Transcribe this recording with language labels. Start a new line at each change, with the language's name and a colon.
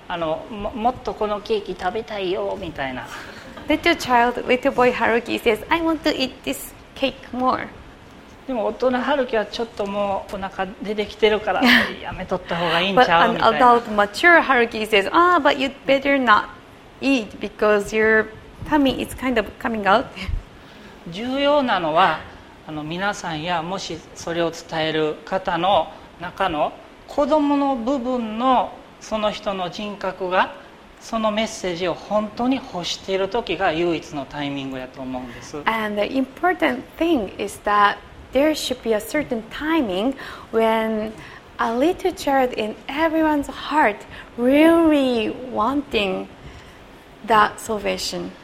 Japanese: もっとこのケーキ食べたいよみたいな。
English: Little child, little boy Haruki says, I want to eat this cake more.
Japanese: でも大人Haruki はちょっともうお腹出てきてるからやめとった方がいいんちゃうみたいな。
English: But an adult mature Haruki says, Ah, but you'd better not eat because your tummy is kind of coming out.
Japanese: 重要なのは皆さんやもしそれを伝える方の中の子供の部分のその人の人格がそのメッセージを本当に欲している時が唯一のタイミングやと思うんです。
English: And the important thing is that there should be a certain timing when a little child in everyone's heart really wanting that salvation.